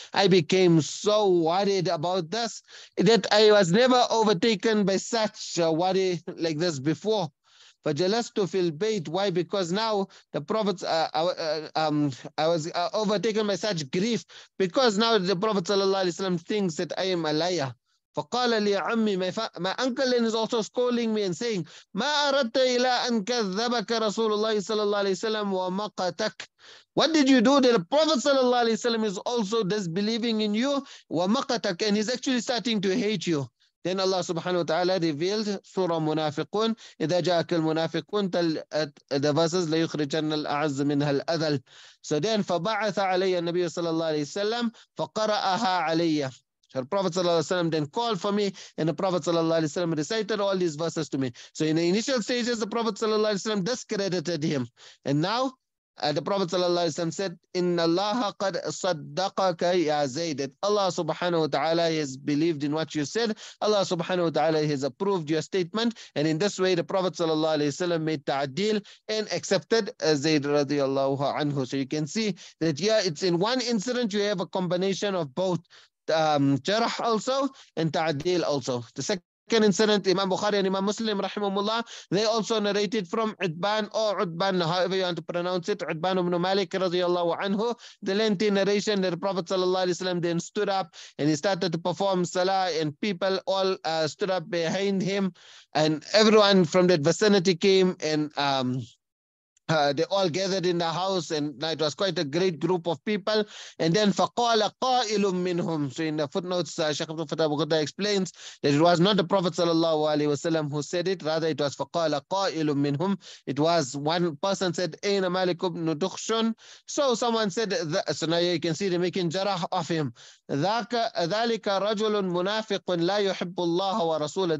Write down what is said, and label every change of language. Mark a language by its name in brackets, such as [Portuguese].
[English] I became so worried about this that I was never overtaken by such worry like this before. [Arabic] فَجَلَسْتُ فِي الْبَيْتِ. [English] Why? Because now the Prophet, I was overtaken by such grief because now the Prophet sallallahu alaihi wasallam thinks that I am a liar. [Arabic] فَقَالَ لِي عَمِّي. [English] My uncle is also scolding me and saying, [Arabic] مَا أَرَدْتَ إِلَىٰ أَنْ كَذَّبَكَ رَسُولُ اللَّهِ صَلَى اللَّهِ عَلَيْهِ وَسَلَّمَ وَمَقَتَكَ. [English] What did you do that the Prophet sallallahu alaihi wasallam is also disbelieving in you? [Arabic] وَمَقَتَكَ. [English] And he's actually starting to hate you. Then Allah subhanahu wa ta'ala revealed Surah Munafiqun. [Arabic] إِذَا جَاءَكَ الْمُنَافِقُونَ [English] the verses [Arabic] لَيُخْرِجَنَّ الْأَعَزُّ مِنْهَا الْأَذَلَّ. [English] So then [Arabic] فَبَعَثَ عَلَيَّ النَّبِيُّ صَلَّى اللَّهُ عَلَيْهِ وَسَلَّمَ فَقَرَأَهَا عَلَيَّ. [English] So the Prophet sallallahu alaihi wasallam then called for me, and the Prophet sallallahu alaihi wasallam recited all these verses to me. So in the initial stages, the Prophet sallallahu alaihi wasallam discredited him, and now the Prophet sallallahu alaihi wasallam said, [Arabic] "Inna Allah qad saddaqaka ya Zayd." [English] Allah subhanahu wa taala has believed in what you said. Allah subhanahu wa taala has approved your statement, and in this way, the Prophet sallallahu alaihi wasallam made ta'adil and accepted Zayd radiyallahu anhu. So you can see that it's in one incident you have a combination of both. Jarh also and ta'adil also. The second incident, Imam Bukhari and Imam Muslim, rahimahumullah, they also narrated from Udban or Udban, however you want to pronounce it, Udban ibn Malik radiyallahu anhu, the lengthy narration that the Prophet sallallahu alayhi wa sallam then stood up and he started to perform salah, and people all stood up behind him, and everyone from that vicinity came and They all gathered in the house, and it was quite a great group of people. And then [Arabic] فَقَالَ قَائِلٌ مِّنْهُمْ. [English] So in the footnotes, Shaykh Abd Ghuddah explains that it was not the Prophet sallallahu alaihi wasallam who said it, rather it was [Arabic] فَقَالَ قَائِلٌ مِّنْهُمْ. [English] It was one person said, [Arabic] أَيْنَ مَالِكُ بْنُ دُخْشٌ. [English] So someone said, so now you can see the making jarah of him. [Arabic] ذَلِكَ رَجُلٌ مُنَافِقٌ لَا يُحِبُّ اللَّهَ وَرَسُولَهُ.